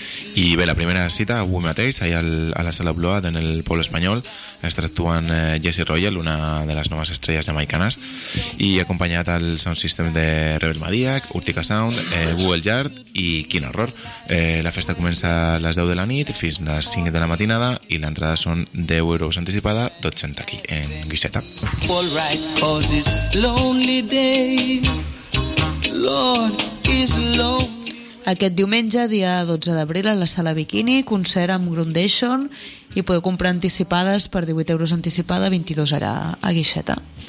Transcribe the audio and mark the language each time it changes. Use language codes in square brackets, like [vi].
[ca] I bé, la primera cita avui mateix, allà a la Sala Bloat en el Poble Espanyol, estarà actuant Jessie Royal, una de les noves estrelles jamaicanes, i acompanyat al sound system de Rebel Madiac, Urtica Sound, Google Yard i Quin Horror. La festa comença a les 10 de la nit fins a les 5 de la matinada, i l'entrada són 10 euros anticipada, 12 en taquí, en guixeta. [en] All right, cause it's lonely day, Lord, it's lonely. [ca] Aquest diumenge, dia 12 d'abril, a la Sala Bikini, concert amb Groundation, i podeu comprar anticipades per 18 euros anticipada, 22 ara a Guixeta.